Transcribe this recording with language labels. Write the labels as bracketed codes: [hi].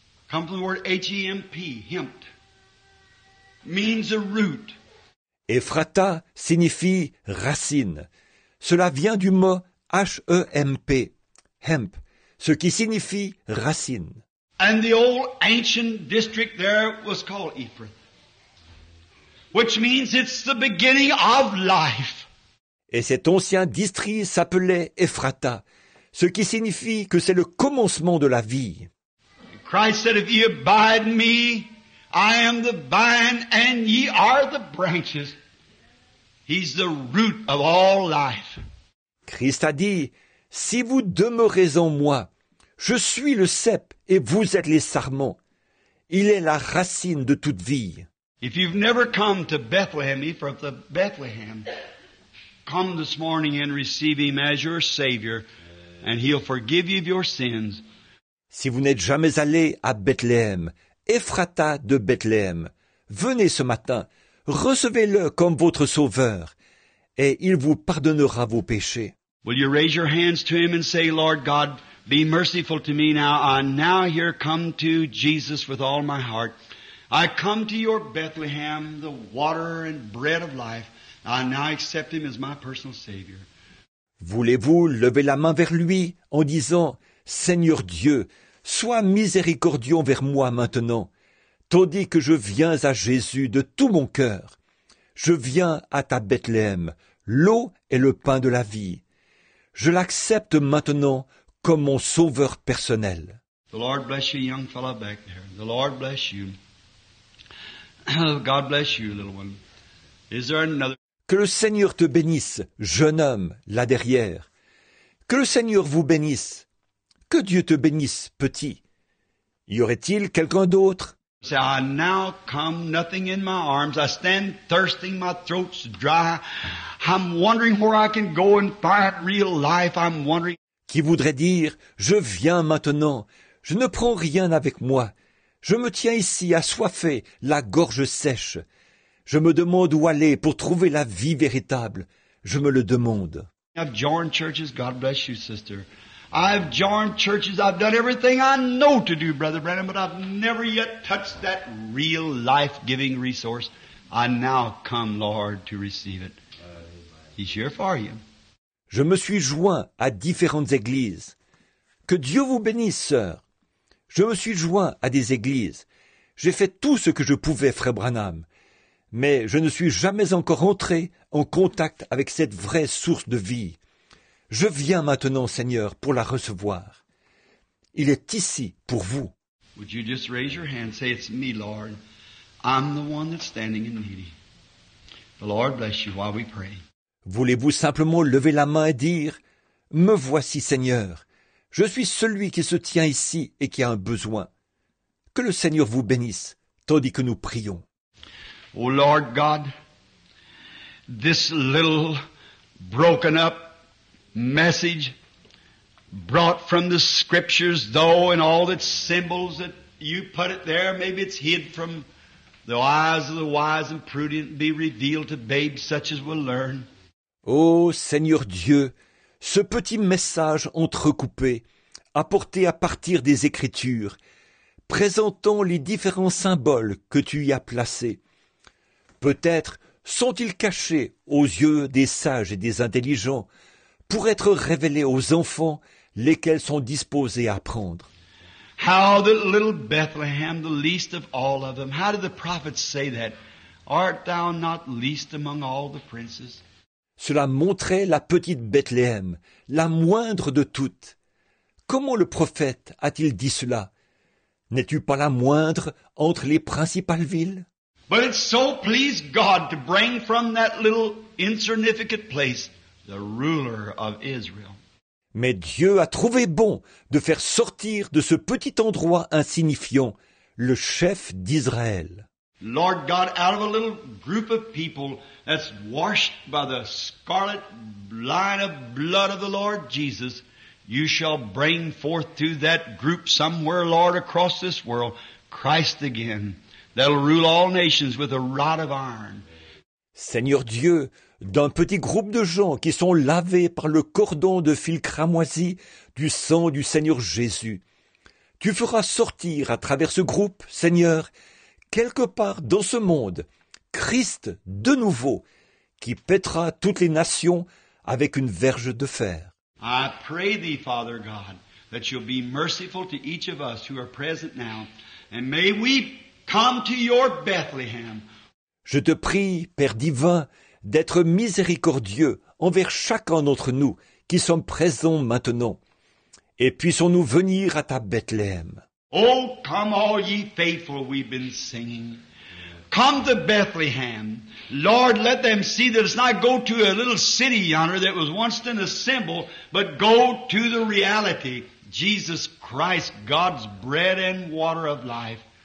[en] Come from the word H-E-M-P, hemp. Means a root. [fr] Ephrata signifie racine. Cela vient du mot H-E-M-P, hemp, ce qui signifie racine. [en] And the old ancient district there was called Ephrath, which means it's the beginning of life. [fr] Et cet ancien district s'appelait Ephrata, ce qui signifie que c'est le commencement de la vie. [en] Christ said, if ye abide in me, I am the vine and ye are the branches. He's the root of all life. [fr] Christ a dit, si vous demeurez en moi, je suis le cep et vous êtes les sarments. Il est la racine de toute vie. [en] If you've never come to Bethlehem, Ephrath of Bethlehem, come this morning and receive him as your Savior, and he'll forgive you of your sins. [fr] Si vous n'êtes jamais allé à Bethléem, Ephrata de Bethléem, venez ce matin, recevez-le comme votre sauveur, et il vous pardonnera vos péchés. [en] Will you raise your hands to him and say, Lord God, be merciful to me now. I now here come to Jesus with all my heart. I come to your Bethlehem, the water and bread of life. I now accept him as my personal Savior. [fr] Voulez-vous lever la main vers lui en disant, Seigneur Dieu, sois miséricordieux envers moi maintenant, tandis que je viens à Jésus de tout mon cœur. Je viens à ta Bethléem, l'eau et le pain de la vie. Je l'accepte maintenant comme mon sauveur personnel. [en] The Lord bless you, young fellow back there. The Lord bless you. God bless you, little one. Is there another? [fr] Que le Seigneur te bénisse, jeune homme, là derrière. Que le Seigneur vous bénisse. Que Dieu te bénisse, petit. Y aurait-il quelqu'un d'autre? [en] Say, I now come, nothing in my arms. I stand thirsting, my throat's dry. I'm wondering where I can go and find real life. I'm wondering. [fr] Qui voudrait dire, je viens maintenant. Je ne prends rien avec moi. Je me tiens ici, assoiffé, la gorge sèche. Je me demande où aller pour trouver la vie véritable. Je me le demande. [en] I've joined churches. God bless you, sister. I've joined churches. I've done everything I know to do, Brother Branham, but I've never yet touched that real life-giving resource. I now come, Lord, to receive it. He's here for you. [fr] Je me suis joint à différentes églises. Que Dieu vous bénisse, sœur. Je me suis joint à des églises. J'ai fait tout ce que je pouvais, Frère Branham. Mais je ne suis jamais encore entré en contact avec cette vraie source de vie. Je viens maintenant, Seigneur, pour la recevoir. Il est ici pour vous. [en] Would you just raise your hand and say, it's me, Lord. I'm the one that's standing in need. The Lord bless you while we pray. [fr] Voulez-vous simplement lever la main et dire, me voici, Seigneur. Je suis celui qui se tient ici et qui a un besoin. Que le Seigneur vous bénisse, tandis que nous prions. [en] Oh Lord God, this little broken up message brought from the scriptures, though in all its symbols that you put it there, maybe it's hid from the eyes of the wise and prudent, be revealed to babes such as will learn. [fr] Oh Seigneur Dieu, ce petit message entrecoupé, apporté à partir des Écritures, présentant les différents symboles que tu y as placés. Peut-être sont-ils cachés aux yeux des sages et des intelligents pour être révélés aux enfants lesquels sont disposés à apprendre. [en] How the little Bethlehem, the least of all of them, how did the prophets say that? Art thou not least among all the princes? [fr] Cela montrait la petite Bethléem, la moindre de toutes. Comment le prophète a-t-il dit cela? N'es-tu pas la moindre entre les principales villes? [en] But it so pleased God to bring from that little insignificant place the ruler of Israel. [fr] Mais Dieu a trouvé bon de faire sortir de ce petit endroit insignifiant le chef d'Israël. [en] Lord God, out of a little group of people that's washed by the scarlet line of blood of the Lord Jesus, You shall bring forth to that group somewhere, Lord, across this world, Christ again, that'll rule all nations with a rod of iron. [fr] Seigneur Dieu, d'un petit groupe de gens qui sont lavés par le cordon de fil cramoisi du sang du Seigneur Jésus, tu feras sortir à travers ce groupe, Seigneur, quelque part dans ce monde, Christ de nouveau, qui pètera toutes les nations avec une verge de fer. [en] I pray thee, Father God, that you'll be merciful to each of us who are present now, and may we come to your Bethlehem. [fr] Je te prie, Père divin, d'être miséricordieux envers chacun d'entre nous qui sommes présents maintenant, et puissions-nous venir à ta Bethléem. [en] Oh, come all ye faithful, we've been singing. Come to Bethlehem. Lord, let them see that it's not go to a little city yonder that was once in a symbol, but go to the reality, Jesus Christ, God's bread and water of life.